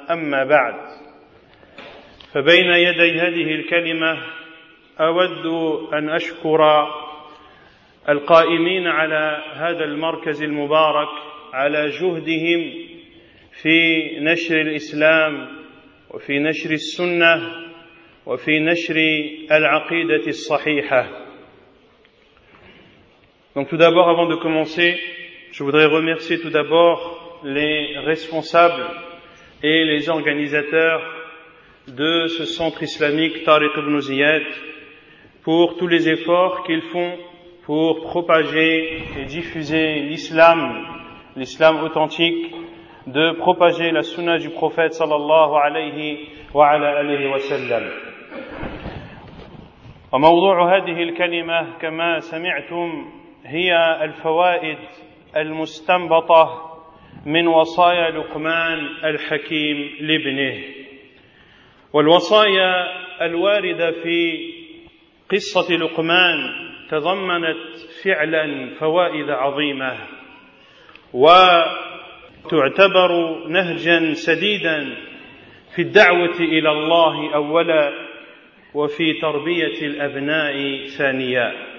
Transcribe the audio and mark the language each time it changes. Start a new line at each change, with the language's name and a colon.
Arabic: أما بعد، فبين يدي هذه الكلمة أود أن أشكر القائمين على هذا المركز المبارك على جهدهم في نشر الإسلام وفي نشر السنة وفي نشر العقيدة الصحيحة.
French: Donc tout d'abord, avant de commencer, je voudrais remercier tout d'abord les responsables et les organisateurs de ce centre islamique Tariq ibn Ziyad pour tous les efforts qu'ils font pour propager et diffuser l'islam, l'islam authentique, de propager la sunna du prophète sallallahu alayhi wa ala alihi wa sallam.
Arabic: وموضوع هذه الكلمة كما سمعتم هي الفوائد المستنبطة من وصايا لقمان الحكيم لابنه. والوصايا الواردة في قصة لقمان تضمنت فعلا فوائد عظيمة و تعتبر نهجا سديدا في الدعوة إلى الله أولا وفي تربية الأبناء ثانيا.